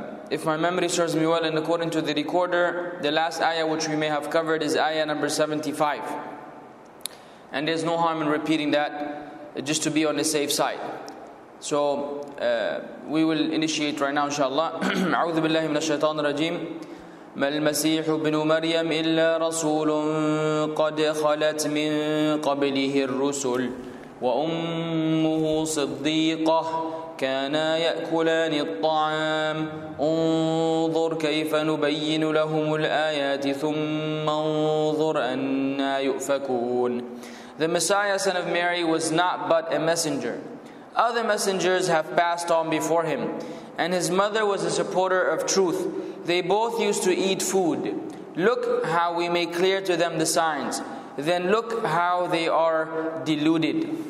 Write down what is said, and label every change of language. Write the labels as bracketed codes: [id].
[en] If my memory serves me well, and according to the recorder, the last ayah which we may have covered is ayah number 75. And there's no harm in repeating that, just to be on the safe side. So, we will initiate right now, inshallah. [ar] أعوذ بالله من الشيطان الرجيم. ما المسيح ابن مريم إلا رسول قد خلت من قبله الرسل وأمه صديقة كانا يأكلان الطعام انظر كيف نبين لهم الآيات ثم انظر أنا يؤفكون. [en] The Messiah, son of Mary, was not but a messenger. Other messengers have passed on before him, and his mother was a supporter of truth. They both used to eat food. Look how we make clear to them the signs. Then look how they are deluded.